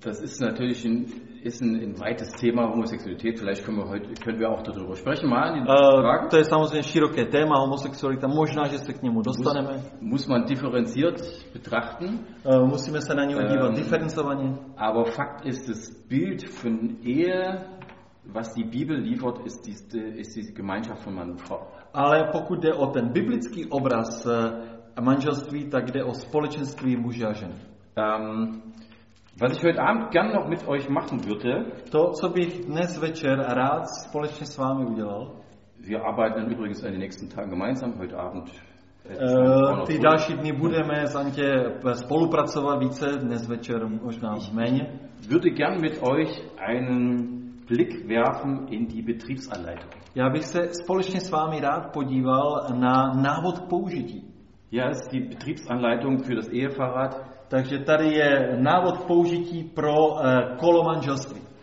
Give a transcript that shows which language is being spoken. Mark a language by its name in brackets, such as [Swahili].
[German] Das ist natürlich ein weites Thema Homosexualität, vielleicht können wir auch darüber sprechen mal in den Fragen. [Czech] To je samozřejmě široké téma homosexualita, možná že se k němu dostaneme. [German] Muss man differenziert betrachten. [Czech] Musíme se na něj dívat diferencovaně. [German] Aber Fakt ist, das Bild von Ehe, was die Bibel liefert, ist die Gemeinschaft von Mann und Frau. [Czech] Ale pokud jde o ten biblický obraz manželství, tak jde o společenství muže a ženy. [German] Was ich heute Abend gern noch mit euch machen würde, [Czech] to, co bych dnes večer rád společně s vámi udělal. [German] Wir arbeiten dann übrigens an den nächsten Tagen gemeinsam heute Abend. [Czech] Ty další dny budeme s Antě spolupracovat více, dnes večer možná méně. [German] Ich würde gern mit euch einen Blick werfen in die Betriebsanleitung. [Czech] Já bych se společně s vámi rád podíval na návod k použití. [German] Ja, ist die Betriebsanleitung für das Ehefahrrad. [Czech] Takže tady je návod použití pro kolo manželství.